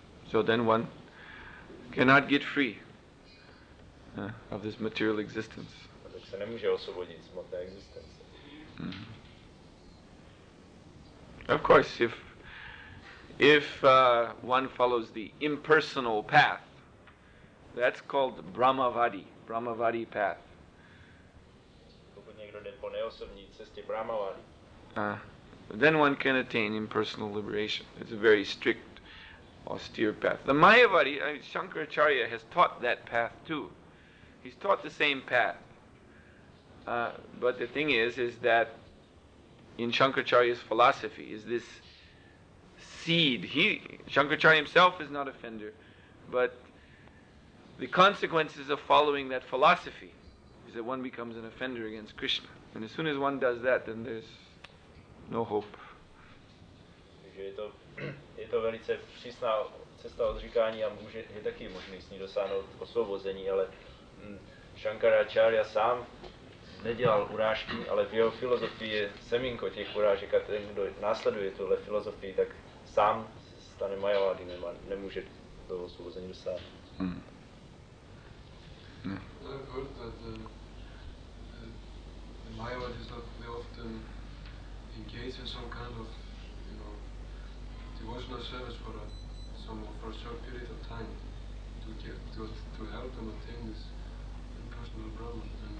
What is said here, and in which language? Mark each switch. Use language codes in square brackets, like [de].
[en] So then one cannot get free of this material existence. [cs] Se nemůže osvobodit z hmotné existence. [en] Of course, if one follows the impersonal path, that's called Brahmavadi path. [cs] Pokud někdo jde po neosobní cestě Brahmavadi, [en] then one can attain impersonal liberation. It's a very strict, austere path. The Mayavadi, Shankaracharya has taught that path too. He's taught the same path. But the thing is that in Shankaracharya's philosophy is this seed. Shankaracharya himself is not offender, but the consequences of following that philosophy is that one becomes an offender against Krishna. And as soon as one does that, then there's no hope. [cs] Takže je to velice přísná cesta odříkání a je taky možný s ní dosáhnout osvobození, ale Shankaracharya sám nedělal urážky, ale v jeho filozofii je semínko těch urážek a ten, kdo následuje tuhle filozofii, tak sám stane Mayavadi, nemůže do osvobození dostat. [en] I've heard that the Mayavadis they often engage in some kind of, you know, devotional service for a short period of time to help them attain this impersonal Brahman.